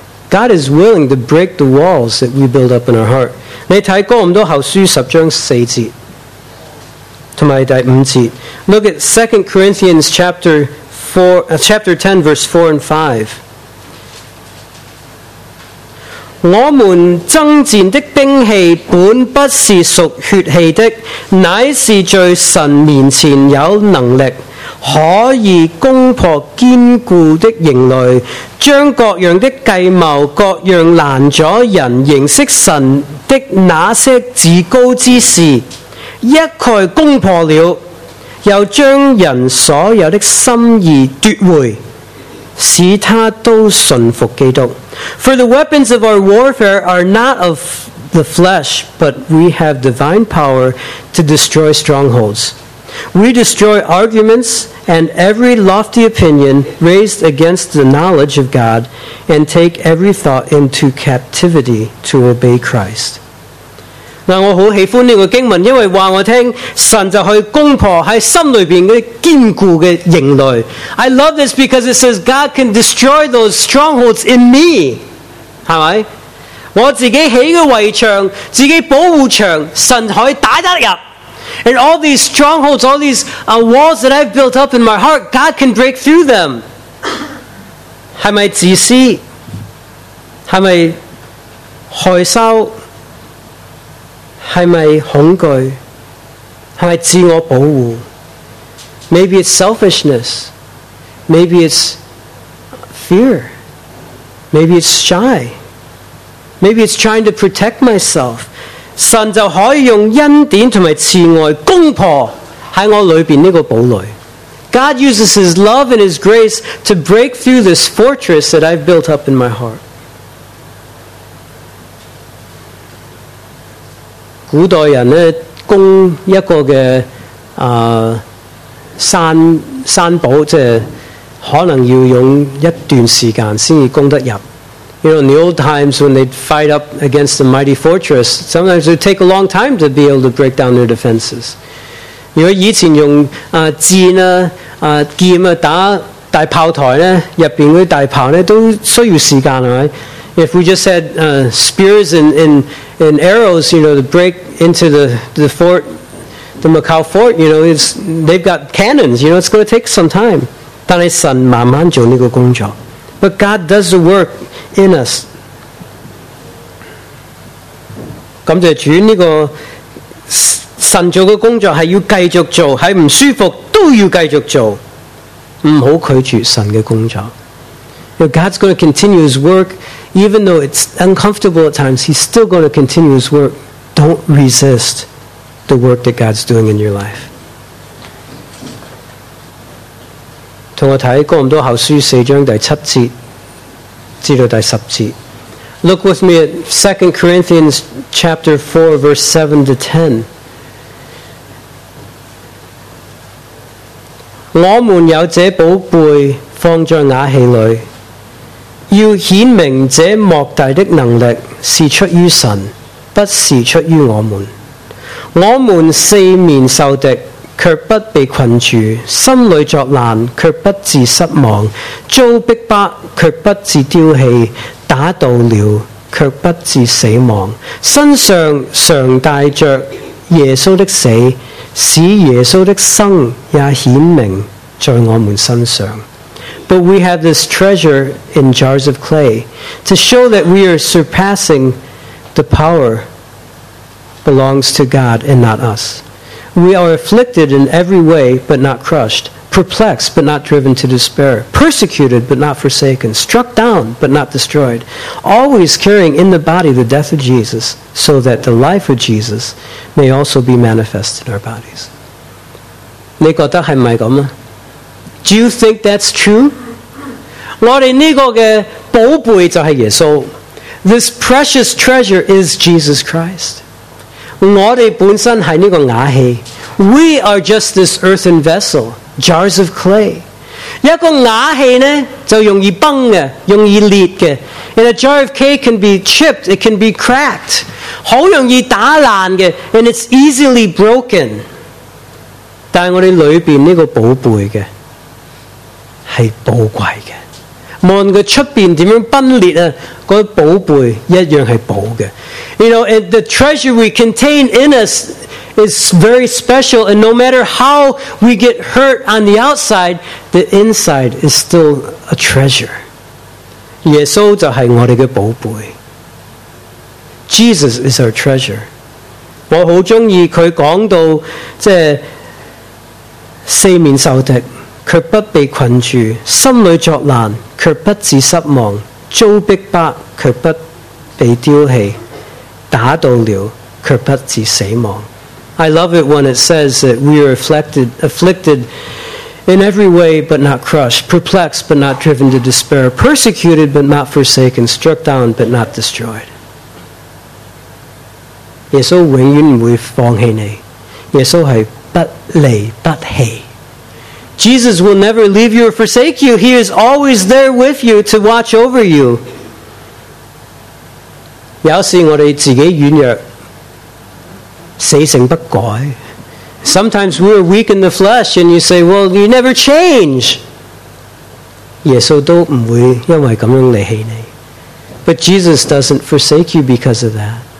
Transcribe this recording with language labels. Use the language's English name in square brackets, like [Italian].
[English] God is willing to break the walls that we build up in our heart. [Cantonese] 你睇哥林多後書十章四節同埋第五節。 [English] Look at 2 Corinthians chapter 10 verse 4 and 5. [Cantonese] 我们征战的兵器本不是属血气的，乃是在神面前有能力，可以攻破坚固的营垒，将各样的计谋、各样拦阻人认识神的那些至高之事，一概攻破了，又将人所有的心意夺回。使他都顺服基督。 [English] For the weapons of our warfare are not of the flesh, but we have divine power to destroy strongholds. We destroy arguments and every lofty opinion raised against the knowledge of God, and take every thought into captivity to obey Christ. [Cantonese] 那我好喜欢这个经文，因为告诉我听神就去攻破在心里面的坚固的营垒。 [English] I love this because it says God can destroy those strongholds in me. [Cantonese] 是吧？我自己起的围墙，自己保护墙，神可以打得入。 [English] And all these strongholds, all these walls that I've built up in my heart, God can break through them. [Cantonese] 是不是自私？是不是害羞？是不是恐惧？是不是自我保护？ [English] Maybe it's selfishness. Maybe it's fear. Maybe it's shy. Maybe it's trying to protect myself. [Cantonese] 神就可以用恩典和慈爱攻破在我里面这个堡垒。 [English] God uses his love and his grace to break through this fortress that I've built up in my heart. [Cantonese] 古代人呢攻一个的山堡，即是可能要用一段时间才攻得入。 [English] You know, in the old times when they'd fight up against the mighty fortress, sometimes it would take a long time to be able to break down their defenses. [Cantonese] 如果以前用箭啊、剑啊打大炮台呢，入面的大炮呢都需要时间，right? [English] If we just had spears and arrows, you know, to break into the fort, the Macau fort, you know, they've got cannons, you know, it's going to take some time. [Cantonese] 但是神慢慢做这个工作。 [English] But God does the work in us. [Cantonese] 感谢主，这个神做的工作是要继续做，是不舒服都要继续做，不要拒绝神的工作。 [English] You know, God's going to continue his work even though it's uncomfortable at times. He's still going to continue his work. Don't resist the work that God's doing in your life. [Cantonese] 同我睇哥林多后书四章第七节至到第十节。 [English] Look with me at 2 Corinthians chapter 4 verse 7 to 10. [Cantonese] 我们有这宝贝放在瓦器里，要显明这莫大的能力是出于神，不是出于我们。我们四面受敌，却不被困住；心里作难，却不致失望；遭逼迫，却不致丢弃；打倒了，却不致死亡。身上常带着耶稣的死，使耶稣的生也显明在我们身上。 [English] But we have this treasure in jars of clay to show that we are surpassing the power belongs to God and not us. We are afflicted in every way, but not crushed, perplexed, but not driven to despair, persecuted, but not forsaken, struck down, but not destroyed, always carrying in the body the death of Jesus, so that the life of Jesus may also be manifest in our bodies. [Cantonese] 你觉得是不是这样? [English] Do you think that's true? [Cantonese] 我们这个的宝贝就是耶稣。 [English] This precious treasure is Jesus Christ. [Cantonese] 我们本身是这个瓦器。 [English] We are just this earthen vessel, jars of clay. [Cantonese] 一个瓦器呢就容易崩的，容易裂的。 [English] And a jar of clay can be chipped, it can be cracked. [Cantonese] 很容易打烂的， [English] and it's easily broken. [Cantonese] 但我们里面这个宝贝的是宝贵的。无论它外面怎样崩裂，那个宝贝一样是宝的。 [English] You know, and the treasure we contain in us is very special, and no matter how we get hurt on the outside, the inside is still a treasure. [Cantonese] 耶稣就是我们的宝贝。 [English] Jesus is our treasure. [Cantonese] 我很喜欢他讲到，即是四面受敌，却不被困住，心里作难，却不致失望，遭逼迫，却不被丢弃，打倒了，却不致死亡。 [English] I love it when it says that we are afflicted in every way but not crushed, perplexed but not driven to despair, persecuted but not forsaken, struck down but not destroyed. [Cantonese] 耶稣永远不会放弃你，耶稣是不离不弃。 [English] Jesus will never leave you or forsake you. He is always there with you to watch over you. [Cantonese] 有时我们自己软弱，死性不改。 [English] Sometimes we are weak in the flesh and you say, well, you never change. [Cantonese] 耶稣都不会因为这样离弃你。 [English] But Jesus doesn't forsake you because of that.